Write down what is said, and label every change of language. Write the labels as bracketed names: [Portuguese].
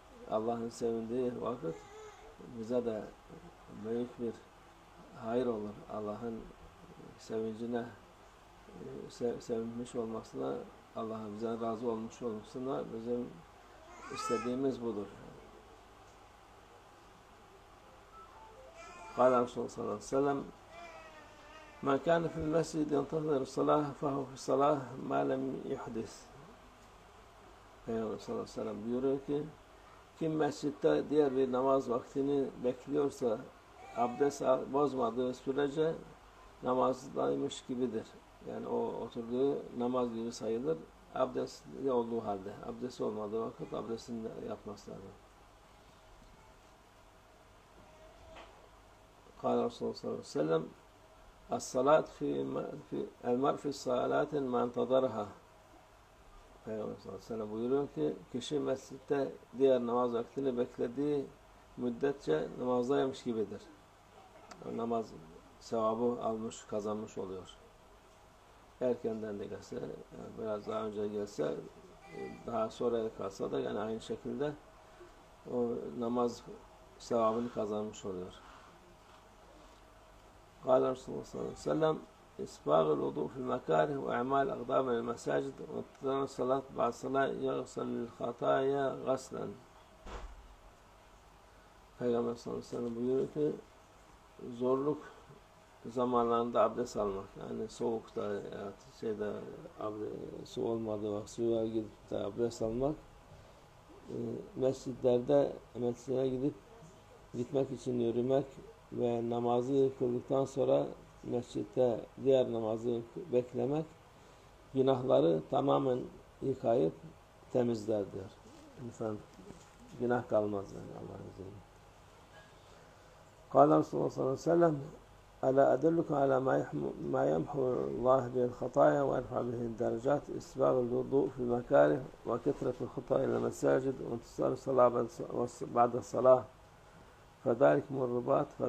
[Turkish] Allah'ın sevindiği vakit bize de büyük bir hayır olur. Allah'ın sevincine sevinmiş olmasına Allah'a bize razı olmuş olmuşsunlar. Bizim istediğimiz budur. Kâle Resulü sallallahu aleyhi ve sellem [Arabic] مَنْ كَانَ فِي الْمَسْجِدِ يَنْتَظِرُ الصَّلَاةَ فَهُوَ فِي الصَّلَاةِ مَا لَمْ يُحْدِثْ. [Turkish] Peygamber sallallahu aleyhi ve sellem buyuruyor ki, kim mescitte diğer bir namaz vaktini bekliyorsa abdest bozmadığı sürece namazdaymış gibidir. Yani o oturduğu namaz günü sayılır, abdestli olduğu halde. Abdesti olmadığı vakit abdestini de yapması lazım. [Arabic] قال رسول الله صلى الله عليه وسلم الصلاة في المرء في الصلاة ما انتظرها. [Turkish] Peygamber sallallahu aleyhi ve sellem buyuruyor ki, kişi mescitte diğer namaz vaktini beklediği müddetçe namazdaymış gibidir. O namaz sevabı almış, kazanmış oluyor. Erkenden de gelse, biraz daha önce gelse, daha sonra kalsa da yani aynı şekilde o namaz sevabını kazanmış oluyor. [Arabic] قال رسول الله صلى الله عليه وسلم إسباغ الوضوء في المكاره وإعمال أقدام المساجد وانتظار الصلاة بعد الصلاة يغسل الخطايا غسلا. [Turkish] Peygamber sallallahu aleyhi ve sellem buyuruyor ki, zorluk zamanlarında abdest almak, yani soğukta yani şeyde su olmadığı vakit suya gidip de abdest almak, mescitlerde mescide gidip gitmek için yürümek ve namazı kıldıktan sonra mescitte diğer namazı beklemek günahları tamamen yıkayıp temizler diyor. İnsan günah kalmaz yani Allah'ın izniyle. [Arabic] قال رسول الله صلى الله عليه وسلم ألا أدلك على ما يمحو الله به الخطايا ويرفع به الدرجات إسباغ الوضوء في المكاره وكثرة الخطى إلى المساجد وانتصار الصلاة بعد الصلاة فذلكم الرباط.